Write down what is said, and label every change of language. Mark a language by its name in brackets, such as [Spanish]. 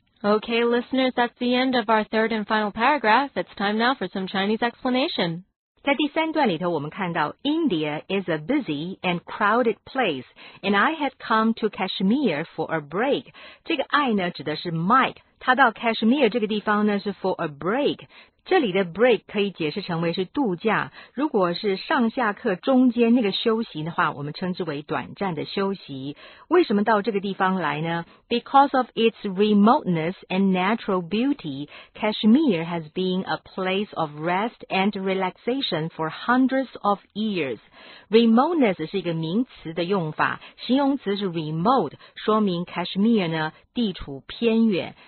[English] Okay, listeners, that's the end of our third and final paragraph. It's time now for some Chinese explanation. [Chinese] 在第三段里头我们看到 [English] India is a busy and crowded place, and I had come to Kashmir for a break. [Chinese] 这个 I 呢指的是 Mike, 他到 Kashmir 这个地方呢是 for a break。这里的 break 可以解释成为是度假，如果是上下课中间那个休息的话，我们称之为短暂的休息。为什么到这个地方来呢？ [English] Because of its remoteness and natural beauty, Kashmir has been a place of rest and relaxation for hundreds of years. [Chinese] Remoteness 是一个名词的用法，形容词是 remote, 说明 Kashmir 呢地处偏远。